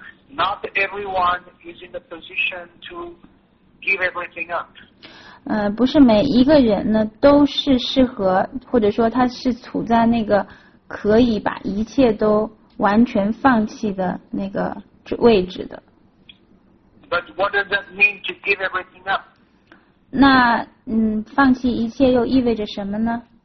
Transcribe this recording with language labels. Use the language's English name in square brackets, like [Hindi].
[English] Not everyone is in the position to give everything up。 [Chinese] 不是每一个人呢都是适合，或者说他是处在那个可以把一切都完全放弃的那个位置的。 [English] But what does that mean to give everything up? [Chinese] 那放弃一切又意味着什么呢？